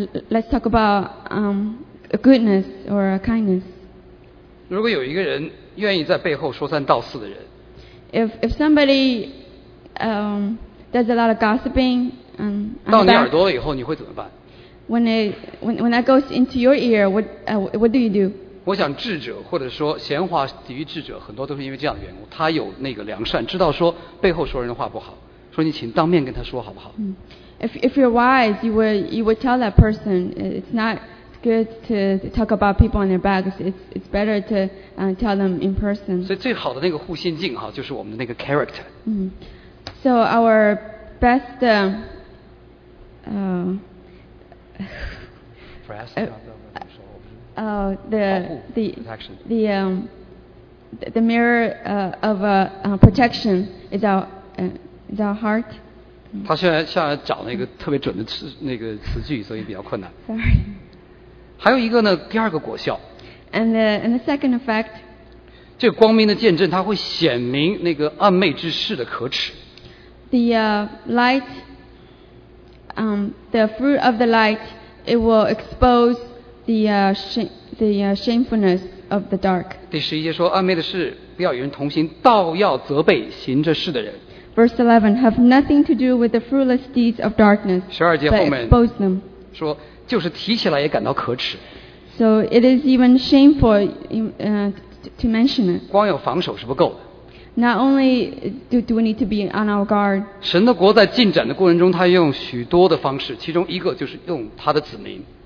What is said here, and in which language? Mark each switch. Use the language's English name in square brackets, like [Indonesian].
[English] Let's talk about A goodness or a kindness. [Chinese] 如果有一个人愿意在背后说三道四的人 [English] ，If somebody does a lot of gossiping, [Chinese] 到你耳朵了以后，你会怎么办 [English] ？When that goes into your ear, what do you do? [Chinese] 我想智者或者说闲话抵御智者，很多都是因为这样的缘故。他有那个良善，知道说背后说人的话不好，说你请当面跟他说好不好 [English] ？If you're wise, you would tell that person it's not. Good to talk about people on their backs. It's better to tell them in person. [Chinese] 所以最好的那个护心镜哈，就是我们的那个 character. [English] So our best the mirror of protection is our heart. [Chinese] 他现在找那个特别准的词那个词句，所以比较困难。 [English] Sorry. [Chinese] 还有一个呢，第二个果效。 [English] And the second effect. [Chinese] 这光明的见证，它会显明那个暗昧之事的可耻。 [English] The light, the fruit of the light, it will expose the shamefulness of the dark. [Chinese] 第十一节说，暗昧的事不要与人同行，倒要责备行这事的人。 [English] Verse 11 have nothing to do with the fruitless deeds of darkness. [Chinese] 十二节后面 [English] but expose them. [Chinese] 说。就是提起来也感到可耻。 [English] So it is even shameful to mention it. [Chinese] 光有防守是不够的。 [English] Not only do we need to be on our guard. [Chinese] 神的国在进展的过程中，他用许多的方式，其中一个就是用他的子民。